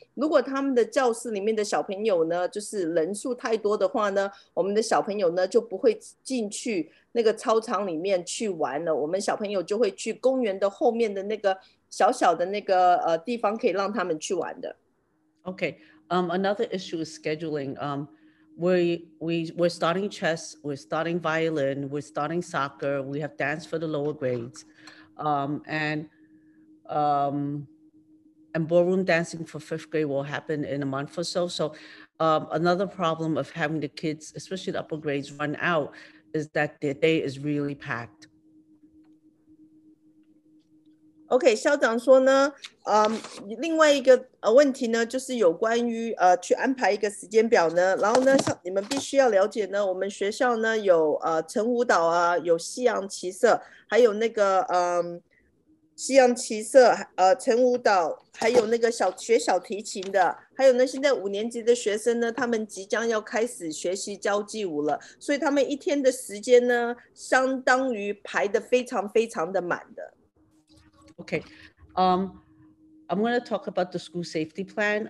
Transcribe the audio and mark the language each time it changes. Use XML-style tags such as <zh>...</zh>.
<zh>如果他们的教室里面的小朋友呢就是人数太多的话呢，我们的小朋友呢就不会进去那个操场里面去玩了，我们小朋友就会去公园的后面的那个小小的那个地方可以让他们去玩的。</zh> <en>Okay, another issue is scheduling. We're starting chess, we're starting violin, we're starting soccer, we have dance for the lower grades, and ballroom dancing for fifth grade will happen in a month or so. So another problem of having the kids, especially the upper grades, run out is that their day is really packed.</en> <zh>Okay, 校长说呢，另外一个问题呢，就是有关于去安排一个时间表呢。然后呢，像你们必须要了解呢，我们学校呢有晨舞蹈啊，有西洋棋社，还有那个西洋棋社、晨舞蹈，还有那个小学小提琴的，还有呢，现在五年级的学生呢，他们即将要开始学习交际舞了，所以他们一天的时间呢，相当于排得非常非常的满的。</zh> <en>Okay, I'm going to talk about the school safety plan.</en>